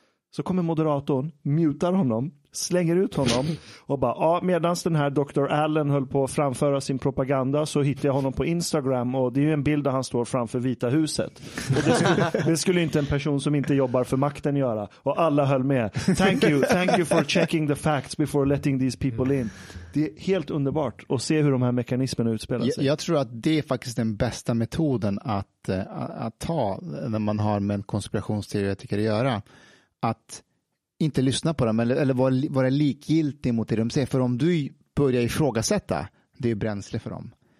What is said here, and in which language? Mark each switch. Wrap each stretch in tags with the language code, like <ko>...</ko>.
<sv>Så kommer moderatorn, mutar honom, slänger ut honom och bara ja, medan den här Dr. Allen höll på att framföra sin propaganda så hittade jag honom på Instagram och det är ju en bild där han står framför Vita huset. Och det skulle inte en person som inte jobbar för makten göra. Och alla höll med.</sv> <en>Thank you for checking the facts before letting these people in.</en> <sv>Det är helt underbart att se hur de här mekanismerna utspelar sig. Jag tror att det är faktiskt den bästa metoden att ta när man har med en konspirationsteoretiker att göra. Att inte lyssna på dem eller vara likgiltig mot det de säger. För om du börjar ifrågasätta, det är bränsle för dem.</sv>